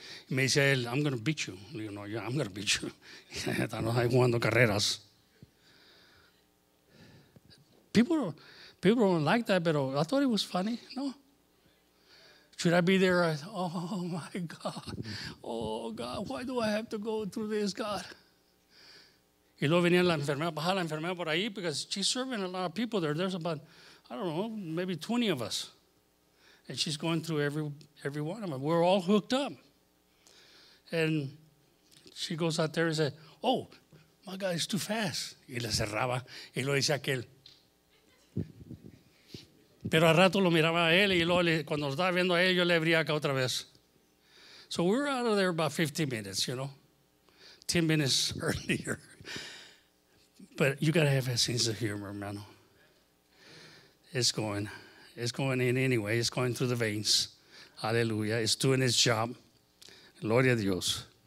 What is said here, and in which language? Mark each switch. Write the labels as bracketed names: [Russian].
[English] me dice él, I'm going to beat you. Le digo, no, yeah, I'm going to beat you. [Spanish] Estamos ahí jugando carreras. [English] People don't like that, but I thought it was funny, no? Should I be there? Oh, my God. Oh, God, why do I have to go through this, God? [Spanish] Y luego venía la enfermera, bajaba la enfermera por ahí, because she's serving a lot of people there. [English] There's about, I don't know, maybe 20 of us. And she's going through every one of them. We're all hooked up. And she goes out there and says, oh, my God, it's too fast. [Spanish] Y le cerraba. Y lo dice aquel. Pero al rato lo miraba a él y luego cuando lo estaba viendo a él, yo le abría acá otra vez. [English] So we were out of there about 15 minutes, you know. 10 minutes earlier. But you got to have a sense of humor, hermano. It's going in anyway. It's going through the veins. Hallelujah. It's doing its job. Gloria a Dios.